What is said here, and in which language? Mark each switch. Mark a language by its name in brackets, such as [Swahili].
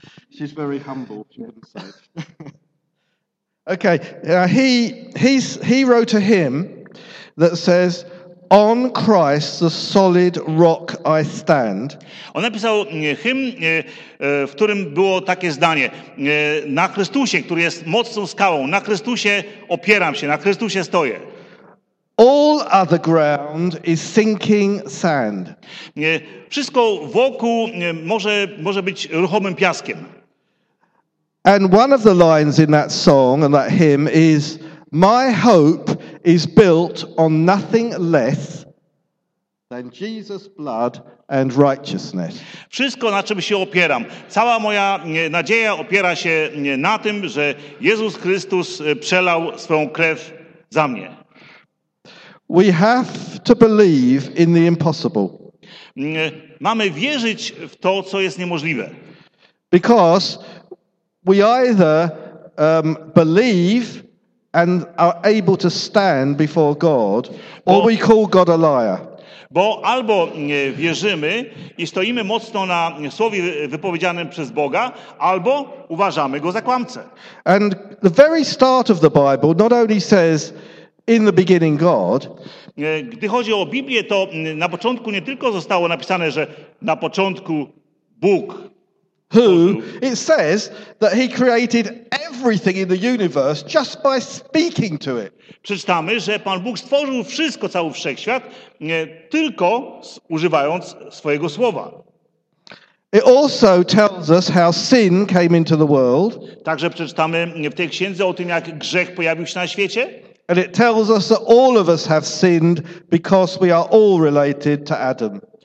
[English] She's very humble, she wouldn't say. Okay, he wrote a hymn that says, "On Christ the solid rock I stand." [Polish] On napisał hymn, w którym było takie zdanie: "Na Chrystusie, który jest mocną skałą, na Chrystusie opieram się, na Chrystusie stoję." [English] All other ground is sinking sand. [Polish] Wszystko wokół może być ruchomym piaskiem. [English] And one of the lines in that song and that hymn is, "My hope is built on nothing less than Jesus' blood and righteousness." [Polish] Wszystko, na czym się opieram. Cała moja nadzieja opiera się na tym, że Jezus Chrystus przelał swoją krew za mnie. [English] We have to believe in the impossible. [Polish] Mamy wierzyć w to, co jest niemożliwe. [English] Because we either believe and are able to stand before God, or we call God a liar. [Polish] Bo albo wierzymy i stoimy mocno na słowie wypowiedzianym przez Boga, albo uważamy go za kłamcę. [English] And the very start of the Bible not only says, "In the beginning God." [Polish] Gdy chodzi o Biblię, to na początku nie tylko zostało napisane, że na początku Bóg. [English] who it says that he created everything in the universe just by speaking to it. [Polish] Przeczytamy, że Pan Bóg stworzył wszystko, cały wszechświat, nie tylko używając swojego słowa. [English] It also tells us how sin came into the world. [Polish] Także przeczytamy w tej księdze o tym, jak grzech pojawił się na świecie. [English] And it tells us that all of us have sinned because we are all related to Adam.